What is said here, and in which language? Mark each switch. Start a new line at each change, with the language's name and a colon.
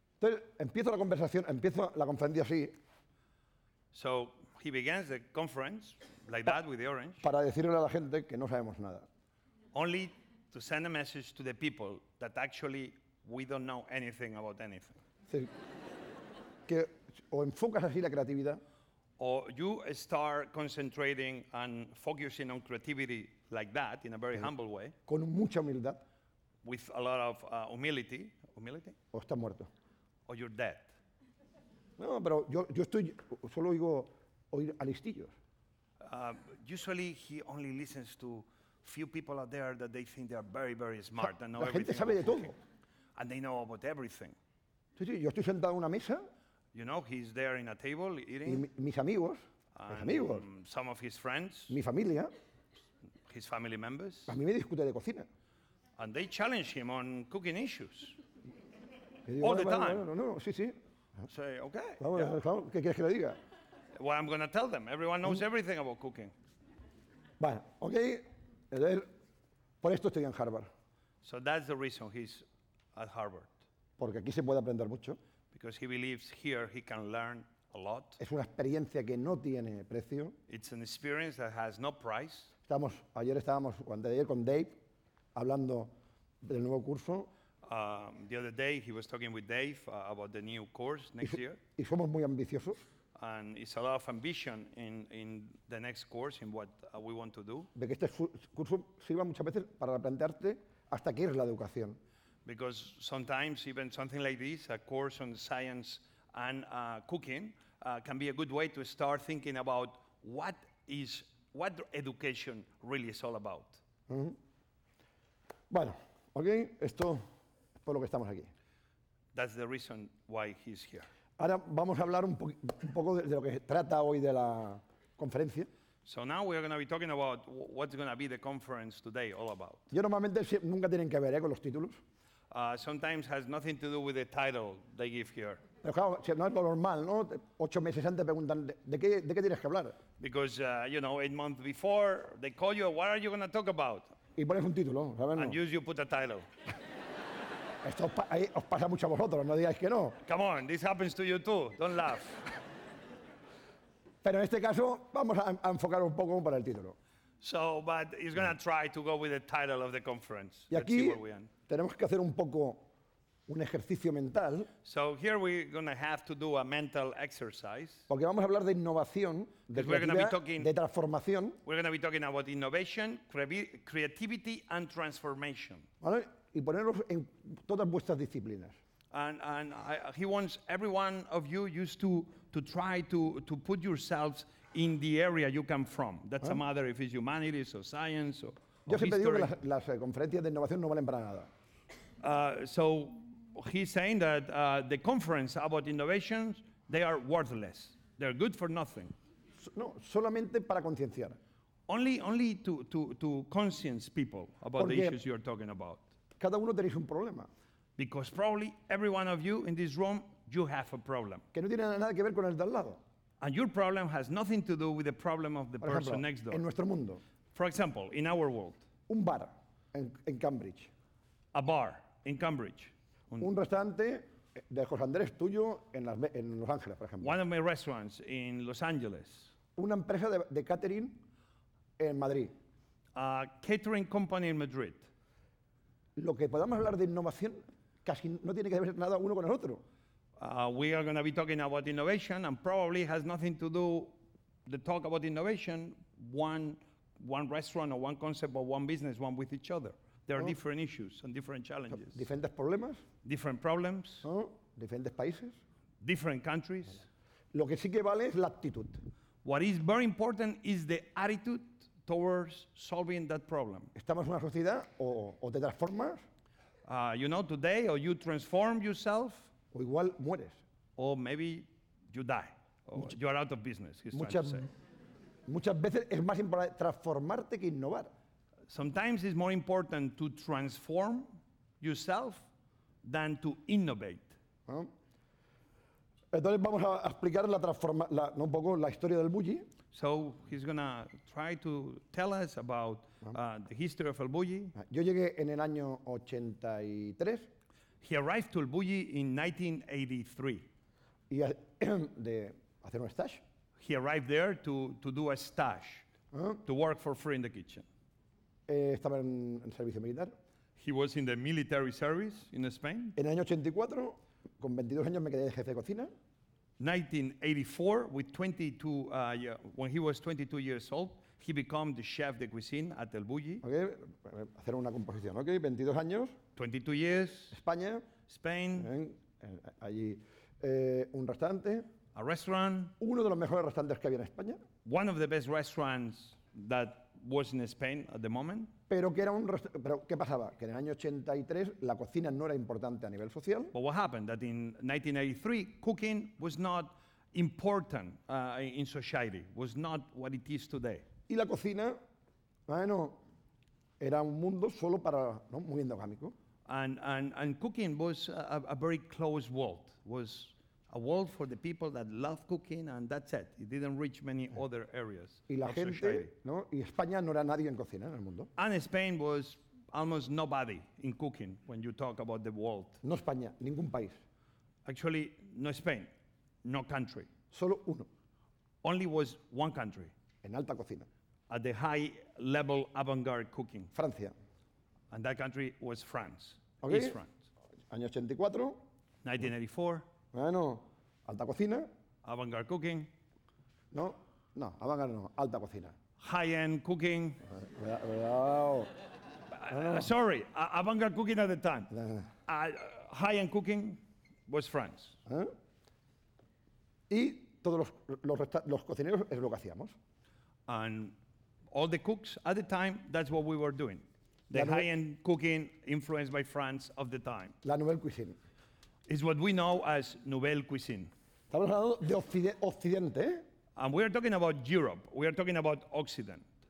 Spanish: Entonces, empiezo la conversación, empiezo la conferencia así.
English: So, he begins the conference, like that, with the orange.
Spanish: Para decirle a la gente que no sabemos nada.
English: Only to send a message to the people that actually we don't know anything about anything.
Spanish: Sí, que o enfocas así la creatividad.
English: Or you start concentrating and focusing on creativity like that, in a very humble way.
Spanish: Con mucha humildad.
English: With a lot of humility.
Spanish: O estás muerto.
English: Or you're dead.
Spanish: No, pero yo estoy solo oír a listillos.
English: Usually he only listens to few people out there that they think they are very, very smart and know everything.
Spanish: La gente sabe de todo.
English: And they know about everything.
Spanish: Sí, yo estoy sentado en una mesa.
English: You know, he's there in a table eating.
Spanish: Y mis amigos. Mis amigos.
English: Some of his friends.
Spanish: Mi familia.
English: His family members.
Spanish: A mí me discute de cocina.
English: And they challenge him on cooking issues.
Spanish: Digo,
English: all the time.
Spanish: No, sí, sí.
English: Say, okay.
Spanish: Vamos, yeah. Vamos, ¿qué quieres que le diga?
English: Well, I'm going to tell them. Everyone knows everything about cooking.
Spanish: Bueno, okay. Entonces, por esto estoy en Harvard.
English: So that's the reason he's at Harvard.
Spanish: Porque aquí se puede aprender mucho.
English: Because he believes here he can learn a lot.
Spanish: Es una experiencia que no tiene precio.
English: It's an experience that has no price.
Spanish: Ayer estábamos con Dave hablando del nuevo curso.
English: The other day he was talking with Dave about the new course next year.
Spanish: Y somos muy ambiciosos.
English: And it's a lot of ambition in the next course, in what we want to do.
Spanish: Porque este curso sirve muchas veces para plantearte hasta qué es la educación.
English: Because sometimes even something like this, a course on science and cooking, can be a good way to start thinking about what education really is all about. Mm-hmm.
Spanish: Bueno, okay, esto es por lo que estamos aquí.
English: That's the reason why he's here.
Spanish: Ahora vamos a hablar un poco de lo que trata hoy de la conferencia.
English: So now we are going to be talking about what's going to be the conference today all about.
Spanish: Yo normalmente nunca tienen que ver con los títulos.
English: Sometimes has nothing to do with the title they give here.
Spanish: Pero claro, si no es lo normal, ¿no? 8 meses antes preguntan, ¿de qué tienes que hablar?
English: Because, you know, 8 months before, they call you, what are you going to talk about?
Spanish: Y pones un título, ¿sabes?
English: And usually you put a title.
Spanish: Esto os pasa mucho a vosotros, no digáis que no.
English: Come on, this happens to you too, don't laugh.
Spanish: Pero en este caso, vamos a enfocar un poco para el título.
English: So, but he's going to try to go with the title of the conference.
Spanish: Y aquí
English: let's see where we end.
Spanish: Tenemos que hacer un poco un ejercicio mental.
English: So here we're going to have to do a mental exercise.
Spanish: Porque vamos a hablar de innovación, de creatividad, de transformación.
English: We're going to be talking about innovation, creativity and transformation.
Spanish: ¿Vale? Y poneros en todas vuestras disciplinas.
English: And he wants every one of you used to try to put yourselves in the area you come from. That's a matter if it's humanities or science or
Spanish: yo siempre digo que las conferencias de innovación no valen para nada.
English: So he's saying that the conference about innovations, they are worthless. They're good for nothing.
Spanish: No, solamente para concienciar.
English: Only to conscience people about
Spanish: porque
English: the issues you're talking about.
Spanish: Cada uno tenéis un problema.
English: Because probably every one of you in this room, you have a problem.
Spanish: Que no tiene nada que ver con el de al lado.
English: And your problem has nothing to do with the problem of the
Spanish: por ejemplo,
English: person next door.
Spanish: En nuestro mundo.
English: For example, in our world.
Spanish: Un bar en Cambridge.
English: A bar in Cambridge.
Spanish: Un restaurante de José Andrés tuyo en Los Ángeles, por ejemplo.
English: One of my restaurants in Los Angeles.
Spanish: Una empresa de catering en Madrid.
English: A catering company in Madrid.
Spanish: Lo que podamos hablar de innovación casi no tiene que ver nada uno con el otro.
English: We are going to be talking about innovation and probably has nothing to do the talk about innovation one restaurant or one concept or one business one with each other. There are different issues and different challenges.
Spanish: Diferentes problemas.
English: Different problems.
Spanish: ¿No? Diferentes países.
English: Different countries.
Spanish: Lo que sí que vale es la actitud.
English: What is very important is the attitude towards solving that problem.
Spanish: ¿Estamos en una sociedad o te transformas?
English: You know, today, or you transform yourself.
Spanish: O igual mueres.
English: Or maybe you die. Or you are out of business, he's trying to say.
Spanish: Muchas veces es más importante transformarte que innovar.
English: Sometimes it's more important to transform yourself than to innovate.
Spanish: Entonces vamos a explicar la un poco la historia del bulli.
English: So he's going to try to tell us about the history of el bulli.
Spanish: Yo llegué en el año 83.
English: He arrived to el bulli in 1983.
Spanish: Y de hacer un stage.
English: He arrived there to do a stage, to work for free in the kitchen.
Spanish: Estaba en servicio militar.
English: He was in the military service in Spain.
Spanish: En el año 84, con 22 años me quedé de jefe de cocina.
English: 1984, with 22, when he was 22 years old, he became the chef de cuisine at el bulli.
Spanish: Okay, hacer una composición, okay, 22 años.
English: 22 years.
Spanish: España.
English: Spain.
Spanish: Allí un restaurante.
English: A restaurant.
Spanish: Uno de los mejores restaurantes que había en España.
English: One of the best restaurants that was in Spain at the moment.
Spanish: Pero que era un pero qué pasaba que en el año 83 la cocina no era importante a nivel social.
English: But what happened that in 1983 cooking was not important in society, was not what it is today.
Spanish: Y la cocina, bueno, era un mundo solo para, ¿no? Muy endogámico.
English: And cooking was a very closed world. Was a world for the people that love cooking and that's it. It didn't reach many other areas.
Spanish: Y la gente,
English: society.
Spanish: ¿No? Y España no era nadie en cocina en el mundo.
English: And Spain was almost nobody in cooking when you talk about the world.
Spanish: No España, ningún país.
English: Actually, no Spain, no country.
Spanish: Solo uno.
English: Only was one country.
Spanish: En alta cocina.
English: At the high level avant-garde cooking.
Spanish: Francia.
English: And that country was France. Okay. East France.
Spanish: Año 84.
English: 1984.
Spanish: Bueno, alta cocina.
English: Avant-garde cooking.
Spanish: No, no, avant-garde no, alta cocina.
English: High-end cooking.
Spanish: Cuidado.
English: Sorry, avant-garde cooking at the time. High-end cooking was France.
Spanish: Y todos los cocineros es lo que hacíamos.
English: And all the cooks at the time, that's what we were doing. The high-end cooking influenced by France of the time.
Spanish: La nouvelle cuisine.
English: Is what we know as nouvelle cuisine.
Spanish: Estamos hablando de Occidente.
English: And we are talking about Europe. We are talking about Occident.